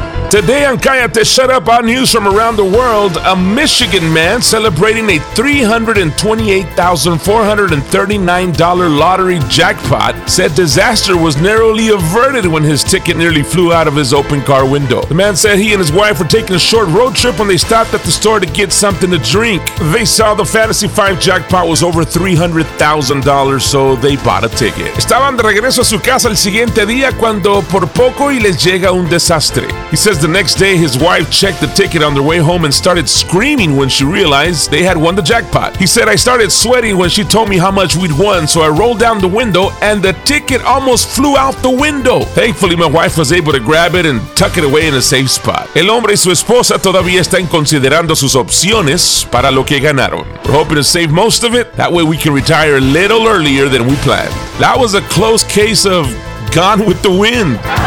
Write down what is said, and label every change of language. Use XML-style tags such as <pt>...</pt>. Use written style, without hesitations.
<en>Today on Cállate, Shut Up, our news from around the world, a Michigan man celebrating a $328,439 lottery jackpot said disaster was narrowly averted when his ticket nearly flew out of his open car window. The man said he and his wife were taking a short road trip when they stopped at the store to get something to drink. They saw the Fantasy 5 jackpot was over $300,000, so they bought a ticket.</en> <es>Estaban de regreso a su casa el siguiente día cuando por poco y les llega un desastre.</es> <en>He says the next day, his wife checked the ticket on their way home and started screaming when she realized they had won the jackpot. He said, "I started sweating when she told me how much we'd won, so I rolled down the window and the ticket almost flew out the window. Thankfully, my wife was able to grab it and tuck it away in a safe spot."</en> <es>El hombre y su esposa todavía están considerando sus opciones para lo que ganaron.</es> <en>We're hoping to save most of it. That way we can retire a little earlier than we planned. That was a close case of Gone with the Wind.</en>